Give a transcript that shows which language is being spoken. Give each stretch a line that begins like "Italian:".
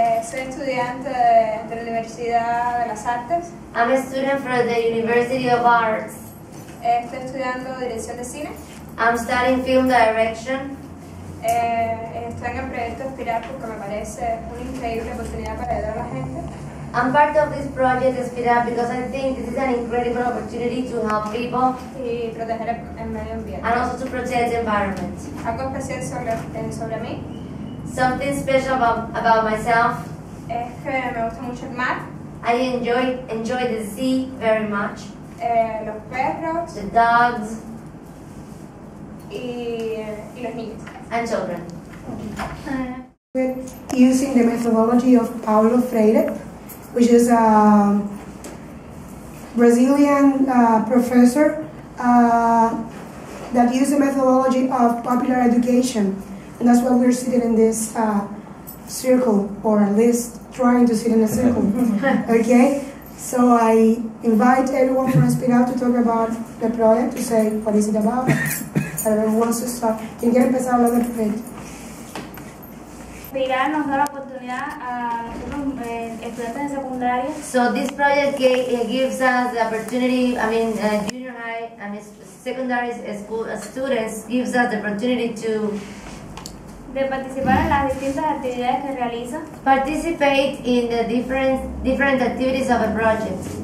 Spanish: Soy estudiante de la Universidad de las Artes.
English: I'm a student from the University of Arts.
Spanish: Estoy estudiando dirección de cine.
English: I'm studying film direction.
Spanish: Estoy en el proyecto Espiral porque me parece una increíble oportunidad para ayudar a la gente.
English: I'm part of this project Espiral because I think this is an incredible opportunity to help people
Spanish: y proteger el medio ambiente.
English: And also to protect the environment.
Spanish: Algo especial sobre mí.
English: Something special about myself.
Spanish: Es que me gusta mucho el mar.
English: I enjoy the sea very much.
Spanish: Los perros.
English: The dogs.
Spanish: Y los niños.
English: And children. We're using the methodology of Paulo Freire, which is a Brazilian professor that used the methodology of popular education. And that's why we're sitting in this circle, or at least trying to sit in a circle. Okay? So I invite everyone from Espiral to talk about the project, to say what is it about.
Spanish: Espiral nos da la oportunidad a nosotros estudiantes de secundaria.
English: So this project gives us the opportunity, junior high, secondary school students, gives us the opportunity to
Spanish: participar en las distintas actividades que realiza.
English: Participate in the different activities of a project.